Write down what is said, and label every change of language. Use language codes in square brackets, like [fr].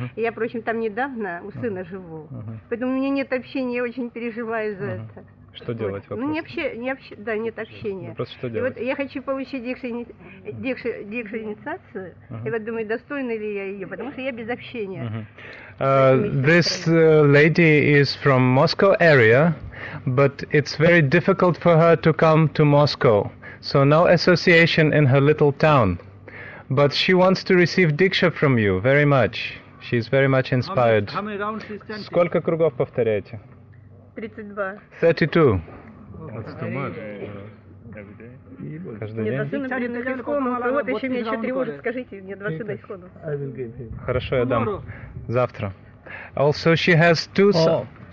[ru] Я, впрочем, там недавно у сына живу. Поэтому у меня нет общения, я очень переживаю за это. Что делать вопрос? Ну, нет общения. Ну, просто что делать? И вот я хочу получить дикшу инициацию, и вот думаю, достойна ли я ее, потому что я без общения. [en] This lady is from Moscow area, but it's very difficult for her to come to Moscow. So no association in her little town. But she wants to receive diksha from you very much. She's very much inspired. [ru] Сколько кругов повторяете? 32. 32. Вот еще меня еще тревожит. Скажите, мне два сына исхода. Хорошо, я дам. Завтра. [en] Also, she has two sons.